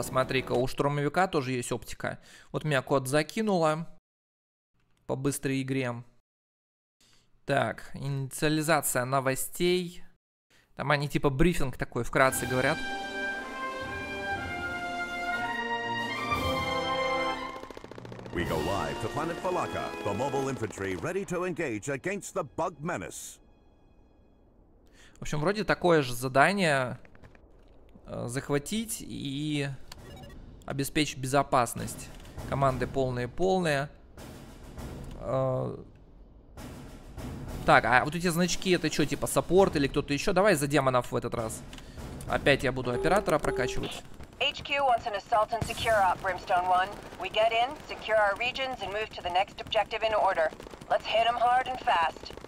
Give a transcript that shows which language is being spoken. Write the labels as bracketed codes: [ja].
[ru] Смотри-ка, у штурмовика тоже есть оптика. Вот меня кот закинуло. По быстрой игре. Так, инициализация новостей. Там они типа брифинг такой, вкратце говорят. [en] We go live to planet Falaka, the mobile infantry ready to engage against the bug menace. [ru] В общем, вроде такое же задание захватить и обеспечить безопасность. Команды полные. Так, а вот эти значки, это что, типа саппорт или кто-то еще? Давай за демонов в этот раз. Опять я буду оператора прокачивать. [en] HQ wants an assault and secure op, Brimstone 1. We get in, secure our regions, and move to the next objective in order. Let's hit them hard and fast.